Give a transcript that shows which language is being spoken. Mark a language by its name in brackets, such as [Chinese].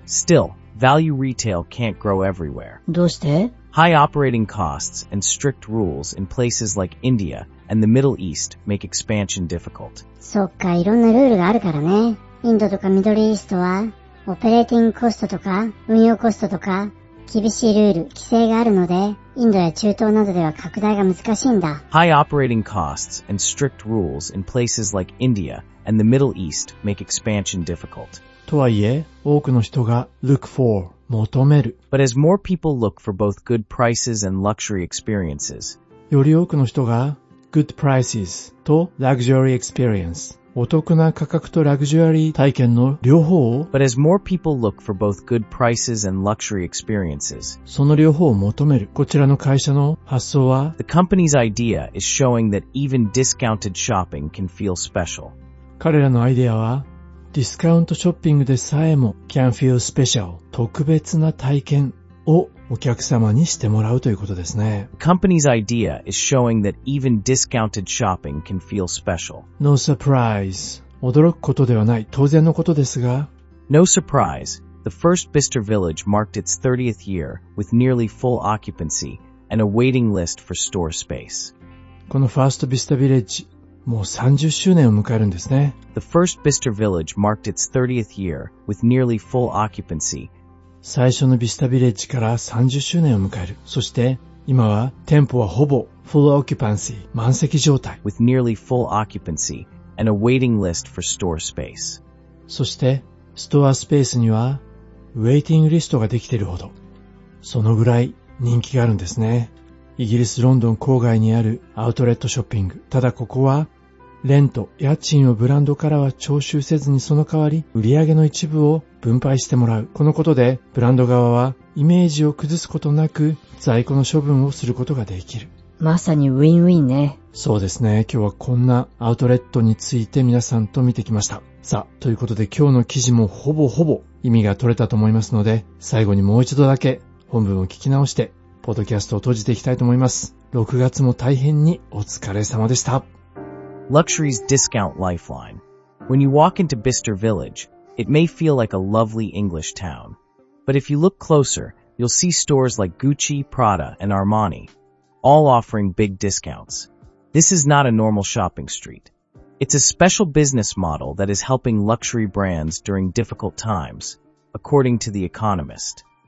[English] Still, value retail can't grow everywhere. [Japanese] どうして? [English] High operating costs and strict rules in places like India and the Middle East make expansion difficult. [Japanese] そっか、いろんなルールがあるからね。インドとかミドルイーストはオペレーティングコストとか運用コストとか厳しいルール、規制があるので、インドや中東などでは拡大が難しいんだ。 [English] High operating costs and strict rules in places like India and the Middle East make expansion difficult. [Japanese] とはいえ、多くの人が [English] look for、 [Japanese] 求める。 [English] But as more people look for both good prices and luxury experiences, [Japanese] より多くの人が [English] good prices [Japanese] と [English] luxury experience、 [Japanese] お得な価格とラグジュアリー体験の両方を [English] But as more people look for both good prices and luxury experiences, [Japanese] その両方を求める。こちらの会社の発想は [English] The company's idea is showing that even discounted shopping can feel special. [Japanese] 彼らのアイデアはディスカウントショッピングでさえも [English] can feel special [Japanese] 特別な体験をお客様にしてもらうということですね。 [English] The company's idea is showing that even discounted shopping can feel special. No surprise. [Japanese] 驚くことではない。当然のことですが。 [English] No surprise. The first Bicester Village marked its 30th year with nearly full occupancy and a waiting list for store space. [Japanese] このファーストビスタビレッジ、もう30周年を迎えるんですね。 [English] The first Bicester Village marked its 30th year with nearly full occupancy. [Japanese] 最初のビスタビレッジから30周年を迎える。そして今は店舗はほぼ [English] full occupancy [Japanese] 満席状態。 [English] With nearly full occupancy and a waiting list for store space. [Japanese] そしてストアスペースには [English] waiting list [Japanese] ができているほど、そのぐらい人気があるんですね。イギリスロンドン郊外にあるアウトレットショッピング。ただここはレント、家賃をブランドからは徴収せずにその代わり売上の一部を分配してもらう。このことでブランド側はイメージを崩すことなく在庫の処分をすることができる。まさにウィンウィンね。そうですね。今日はこんなアウトレットについて皆さんと見てきました。さあ、ということで今日の記事もほぼほぼ意味が取れたと思いますので、最後にもう一度だけ本文を聞き直してポッドキャストを閉じていきたいと思います。 6月も大変にお疲れ様でした。 [English] Luxury's discount lifeline. When you walk into Bicester Village, it may feel like a lovely English town. But if you look closer, you'll see stores like Gucci, Prada, and Armani, all offering big discounts. This is not a normal shopping street. It's a special business model that is helping luxury brands during difficult times, according to The Economist.